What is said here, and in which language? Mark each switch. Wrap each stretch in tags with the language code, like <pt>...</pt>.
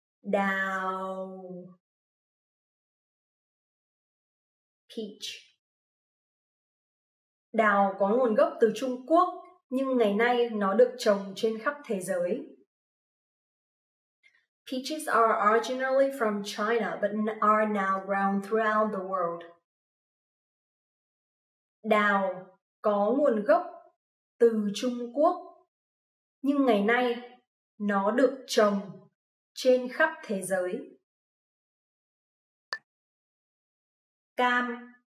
<vi>Đào.</vi> <en>Peach.</en> <vi>Đào có nguồn gốc từ Trung Quốc, nhưng ngày nay nó được trồng trên khắp thế giới.</vi> <en>Peaches are originally from China, but are now grown throughout the world.</en> <vi>Đào có nguồn gốc từ Trung Quốc, nhưng ngày nay nó được trồng trên khắp thế giới. Cam.</vi>